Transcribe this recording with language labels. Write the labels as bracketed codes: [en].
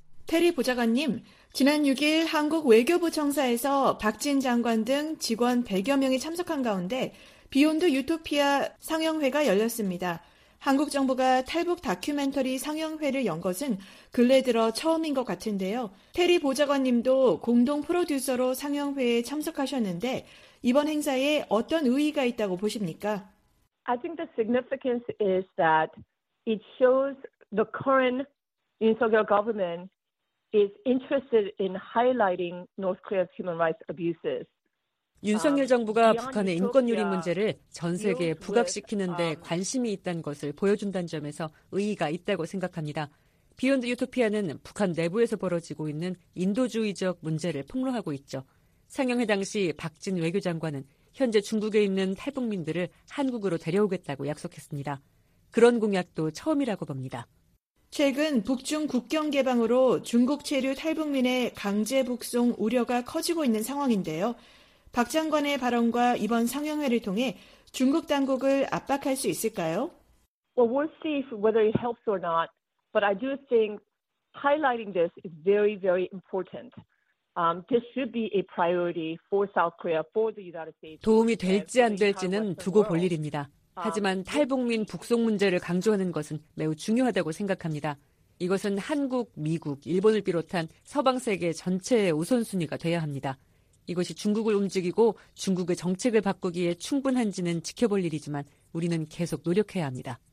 [ko] 테리 보좌관님, 지난 6일 한국 외교부 청사에서 박진 장관 등 직원 100여 명이 참석한 가운데 비욘드 유토피아 상영회가 열렸습니다. 한국 정부가 탈북 다큐멘터리 상영회를 연 것은 근래 들어 처음인 것 같은데요. 테리 보좌관님도 공동 프로듀서로 상영회에 참석하셨는데 이번 행사에 어떤 의의가 있다고 보십니까? [en] I think the significance is that it shows the current 윤석열 government is interested in highlighting North Korea's human rights abuses. [ko] 윤석열 정부가 북한의 인권 유린 문제를 전 세계에 부각시키는 데 관심이 있다는 것을 보여준다는 점에서 의의가 있다고 생각합니다. 비욘드 유토피아는 북한 내부에서 벌어지고 있는 인도주의적 문제를 폭로하고 있죠. 상영회 당시 박진 외교장관은 현재 중국에 있는 탈북민들을 한국으로 데려오겠다고 약속했습니다. 그런 공약도 처음이라고 봅니다. 최근 북중 국경 개방으로 중국 체류 탈북민의 강제 북송 우려가 커지고 있는 상황인데요. 박 장관의 발언과 이번 상영회를 통해 중국 당국을 압박할 수 있을까요? [en] Well, we'll see whether it helps or not, but I do think highlighting this is very, very important. This should be a priority for South Korea, for the United States. [ko] 도움이 될지 안 될지는 두고 볼 일입니다. 하지만 탈북민 북송 문제를 강조하는 것은 매우 중요하다고 생각합니다. 이것은 한국, 미국, 일본을 비롯한 서방 세계 전체의 우선순위가 되어야 합니다. 이것이 중국을 움직이고 중국의 정책을 바꾸기에 충분한지는 지켜볼 일이지만 우리는 계속 노력해야 합니다.